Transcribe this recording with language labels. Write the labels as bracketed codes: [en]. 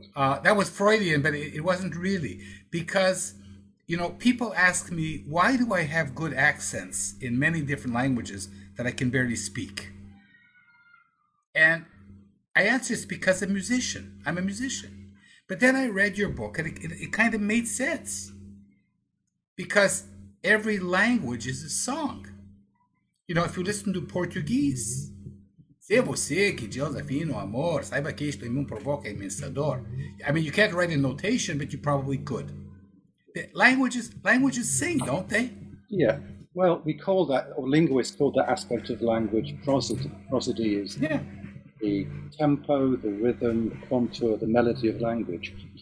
[en] That was Freudian, but it wasn't really. Because, you know, people ask me, why do I have good accents in many different languages that I can barely speak? And I answer, it's because I'm a musician. But then I read your book, and it kind of made sense. Because every language is a song. You know, if you listen to Portuguese, [pt] se você que desafina o amor, saiba que isto em mim provoca imensa dor. [en] I mean, you can't write in notation, but you probably could. Languages sing, don't they? Yeah. Well, we call that, or linguists call that aspect of language prosody. Prosody is the tempo, the rhythm, the contour, the melody of language.